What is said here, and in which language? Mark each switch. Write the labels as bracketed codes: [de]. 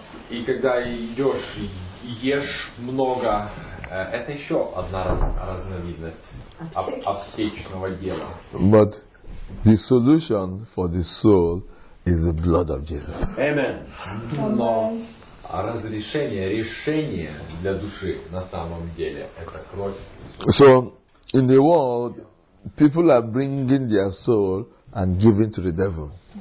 [ru] И когда идешь, ешь много, это еще одна разновидность аптечного дела. [en] But the solution for the soul is the blood of Jesus. Amen. [ru] Но решение для души на самом деле это кровь. [en] So in the world, people are bringing their soul and giving to the devil.